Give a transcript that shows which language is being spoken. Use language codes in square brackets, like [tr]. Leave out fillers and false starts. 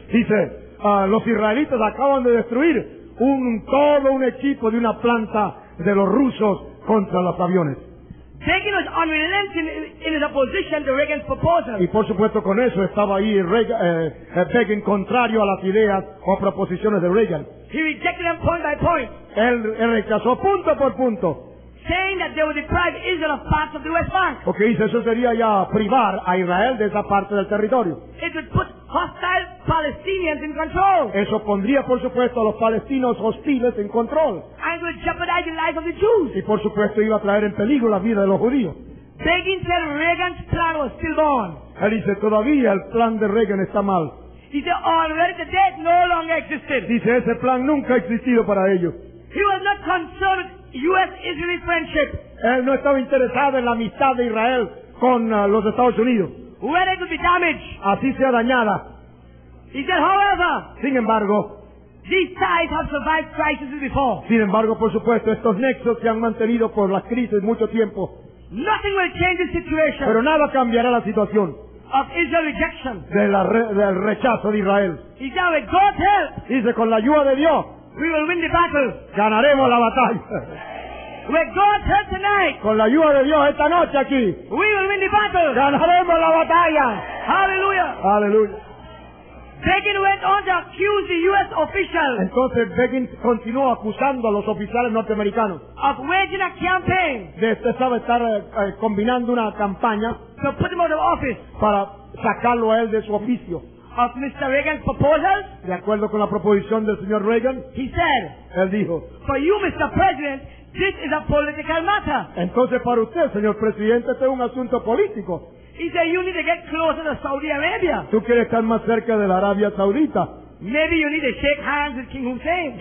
[es] Dice, los israelitas acaban de destruir todo un equipo de una planta de los rusos contra los aviones. [en] Begin was unrelenting in his opposition to Reagan's proposal. [es] Y por supuesto con eso estaba ahí Begin contrario a las ideas o proposiciones de Reagan. [en] He rejected them point by point. [es] Él rechazó punto por punto. [en] Saying that they would deprive Israel of parts of the West Bank. [es] Okay, eso sería ya privar a Israel de esa parte del territorio. [en] It would put hostile Palestinians in control. [es] Eso pondría, por supuesto, a los palestinos hostiles en control. [en] And it would jeopardize the lives of the Jews. [es] Y por supuesto iba a traer en peligro la vida de los judíos. [en] Begin said Reagan's plan was still born. [es] Él dice, todavía el plan de Reagan está mal. [en] He said already the dead no longer existed. [es] Dice, ese plan nunca ha existido para ellos. [en] He was not concerned with U.S.-Israeli friendship. [es] Él no estaba interesado en la amistad de Israel con los Estados Unidos. [en] Where it would be damaged. [es] Así sea dañada. [en] He said, however. [es] Sin embargo. [en] These ties have survived crises before. [es] Sin embargo, por supuesto, estos nexos se han mantenido por las crisis mucho tiempo. [en] Nothing will change the situation. [es] Pero nada cambiará la situación. [en] Of Israel rejection. [es] Del rechazo de Israel. [en] He said, with God's help. [es] Dice, con la ayuda de Dios. [en] We will win the battle. [es] Ganaremos la batalla. [en] With God's help tonight. [es] Con la ayuda de Dios esta noche aquí. [en] We will win the battle. [es] Ganaremos la batalla. Hallelujah. Hallelujah. [en] Begin went on to accuse the U.S. officials. [es] Entonces Begin continuó acusando a los oficiales norteamericanos. [en] Of waging a campaign. [es] De estar combinando una campaña. [en] To put him out of office. [es] Para sacarlo a él de su oficio. [en] Of Mr. Reagan's proposals. [es] De acuerdo con la proposición del señor Reagan. [en] He said. [es] Él dijo. [en] For you, Mr. President, this is a political matter. [es] Entonces para usted, señor presidente, este es un asunto político. [en] He said you need to get closer to Saudi Arabia. [es] Tú quieres estar más cerca de la Arabia Saudita. [en] Maybe you need to shake hands with King Hussein.